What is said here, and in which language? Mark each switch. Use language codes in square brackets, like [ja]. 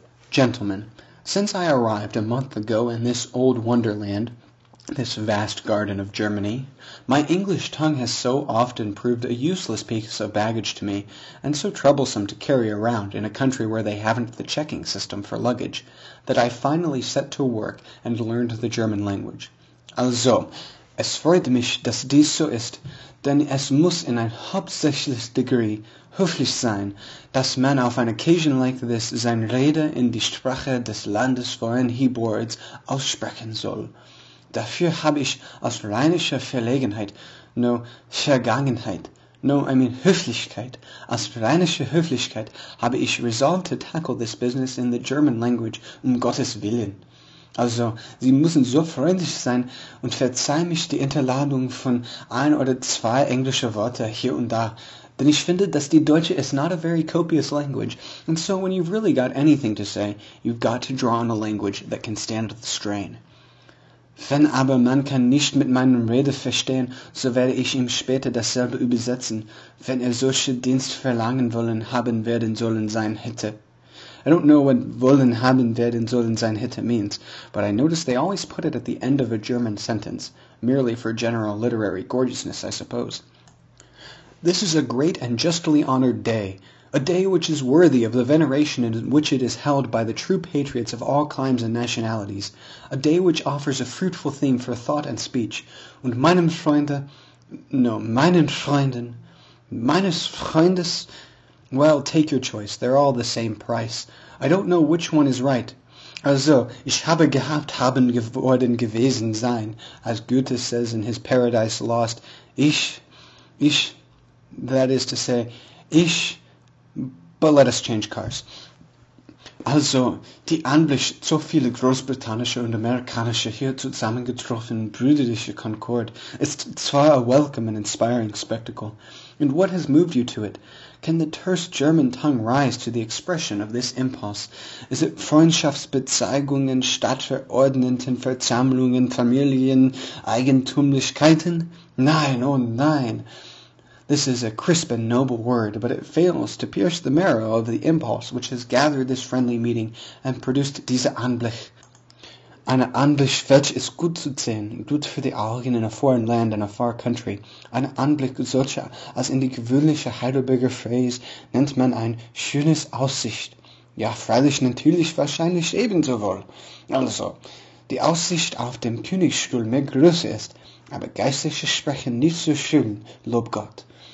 [en] Gentlemen, since I arrived a month ago in this old wonderland, this vast garden of Germany, my English tongue has so often proved a useless piece of baggage to me, and so troublesome to carry around in a country where they haven't the checking system for luggage, that I finally set to work and learned the German language. [de] Also, es freut mich, dass dies so ist, denn es muss in ein hauptsächliches Degree höflich sein, dass man auf ein [en] occasion like this [de] seine Rede in die Sprache des Landes, worin [en] he boards, [de] aussprechen soll. Dafür habe ich aus rheinischer Verlegenheit, no Vergangenheit, [en] no, I mean [de] Höflichkeit, aus rheinischer Höflichkeit habe ich [en] resolved to tackle this business in the German language, [de] Gottes Willen. Also, Sie müssen so freundlich sein und verzeih mich die Interladung von ein oder zwei englische Worte hier und da, denn ich finde, dass die Deutsche [en] is not a very copious language, and so when you've really got anything to say, you've got to draw on a language that can stand the strain. [de] Wenn aber man kann nicht mit meinem Rede verstehen, so werde ich ihm später dasselbe übersetzen, wenn er solche Dienst verlangen wollen haben werden sollen sein hätte. [en] I don't know what [de] wollen haben werden sollen sein hätte [en] means, but I notice they always put it at the end of a German sentence, merely for general literary gorgeousness, I suppose. This is a great and justly honored day, a day which is worthy of the veneration in which it is held by the true patriots of all climes and nationalities, a day which offers a fruitful theme for thought and speech, [de] und meines Freundes, [en] well, take your choice, they're all the same price. I don't know which one is right. [de] Also, ich habe gehabt haben geworden gewesen sein, [en] as Goethe says in his Paradise Lost, ich, that is to say, ich, but let us change cars. [de] Also, die anblich so viele großbritannische und amerikanische hier zusammengetroffen brüderliche Concord ist zwar [en] a welcome and inspiring spectacle, and what has moved you to it? Can the terse German tongue rise to the expression of this impulse? Is it [de] Freundschaftsbezeigungen statt verordneten Versammlungen Familieneigentumlichkeiten? Nein, oh nein! [en] This is a crisp and noble word, but it fails to pierce the marrow of the impulse which has gathered this friendly meeting and produced [de] diese Anblick. Eine Anblick welch ist gut zu sehen, gut für die Augen [en] in a foreign land and a far country. [de] Eine Anblick solcher, als in die gewöhnliche Heidelberger Phrase, nennt man ein schönes Aussicht. Ja, freilich, natürlich, wahrscheinlich ebenso wohl. Also, die Aussicht auf dem Königsstuhl mehr Größe ist, aber geistliche sprechen nicht so schön, lob Gott.